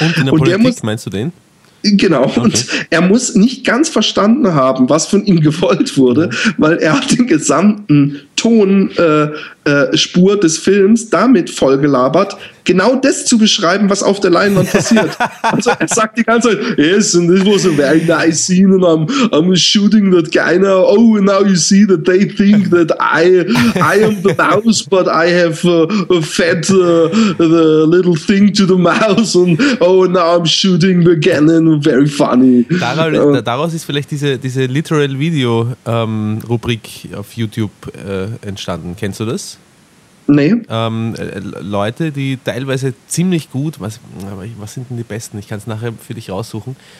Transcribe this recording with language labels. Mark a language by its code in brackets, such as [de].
[de] Und in der Politik, meinst du den? Genau, okay. Und er muss nicht ganz verstanden haben, was von ihm gewollt wurde, weil er hat den gesamten Tonspur des Films damit vollgelabert, genau das zu beschreiben, was auf der Leinwand passiert. Also er sagt die ganze Zeit, [en] yes, and this was a very nice scene and I'm shooting that guy now. Oh, now you see that they think that I am the mouse, but I have fed the little thing to the mouse and oh, now I'm shooting the cannon. Very funny. [de] Daraus ist vielleicht diese Literal Video Rubrik auf YouTube entstanden. Kennst du das? Nee. Leute, die teilweise ziemlich gut, was sind denn die Besten? Ich kann es nachher für dich raussuchen.